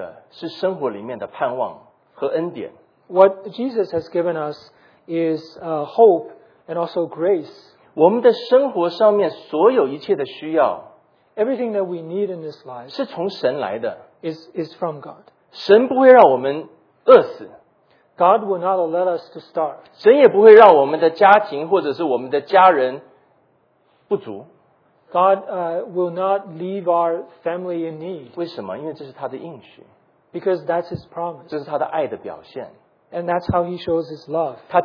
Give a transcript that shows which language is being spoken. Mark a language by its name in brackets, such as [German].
[Chinese] 主耶稣基督所赐给我们的是生活里面的盼望和恩典。 [English] What Jesus has given us is hope and also grace. [Chinese] 我们的生活上面所有一切的需要, [English] everything that we need in this life, [Chinese] 是从神来的, [English] is from God. [Chinese] 神不会让我们饿死。 [English] God will not let us to starve. [Chinese] 神也不会让我们的家庭或者是我们的家人不足。 [English] God will not leave our family in need. [Chinese] 为什么?因为这是他的应许。 [English] Because that's His promise. [Chinese] 这是他的爱的表现。 [English] And that's how He shows His love.